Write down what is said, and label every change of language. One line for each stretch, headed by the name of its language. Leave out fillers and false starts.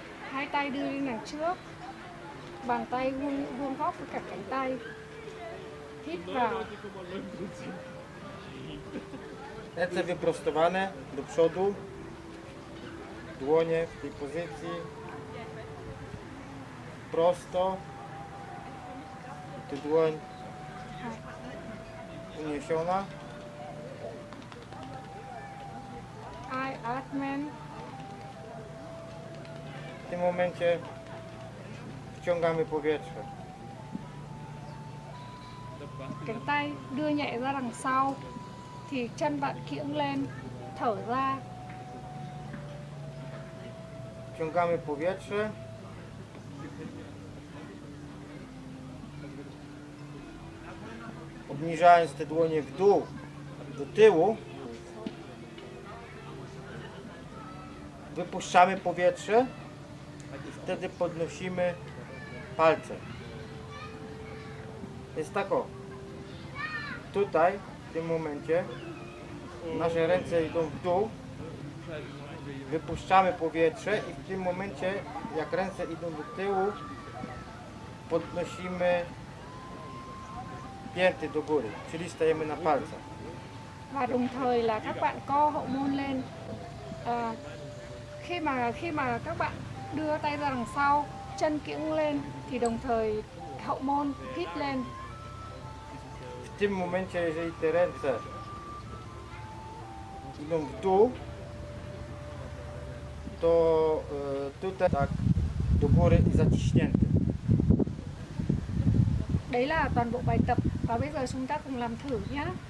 Vietnamese: hai tay đưa lên đằng trước, bàn tay vuông góc với cả cánh tay, hít vào.
Polish: Ręce wyprostowane do przodu, dłonie w tej pozycji, prosto, ty dłoń uniesiona. Aj, atmen. W tym momencie wciągamy powietrze.
Vietnamese: Cánh tay đưa nhẹ ra đằng sau. Thì chân bạn kiễng lên, thở ra.
Polish: Ciągamy powietrze. Obniżając te dłonie w dół, do tyłu. Wypuszczamy powietrze. I wtedy podnosimy palce. Jest tak o. Tutaj, w tym momencie. Nasze ręce idą w dół, wypuszczamy powietrze i w tym momencie, jak ręce idą do tyłu, podnosimy pięty do góry, czyli stajemy na palcach.
Vietnamese: Và đồng thời là các bạn co hậu môn lên. Khi mà các bạn đưa tay ra đằng sau, chân kiễng lên, thì đồng thời hậu môn hít lên.
Polish: W tym momencie, jeżeli te ręce idą w dół, to tutaj tak do góry i zaciśnięte.
Vietnamese: Đấy là toàn bộ bài tập và bây giờ chúng ta cùng làm thử nhé.